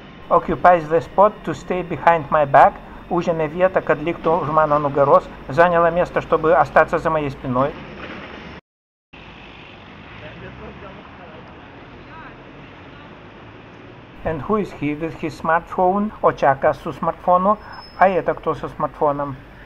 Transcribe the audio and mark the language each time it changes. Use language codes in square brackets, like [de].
[en] Occupies the spot to stay behind my back. [lt] Užėmė vietą, kad liktų už mano nugaros. [ru] Заняла место, чтобы остаться за моей спиной. [en] And who is he with his smartphone? [ru] Очака со смартфоном. А это кто со смартфоном?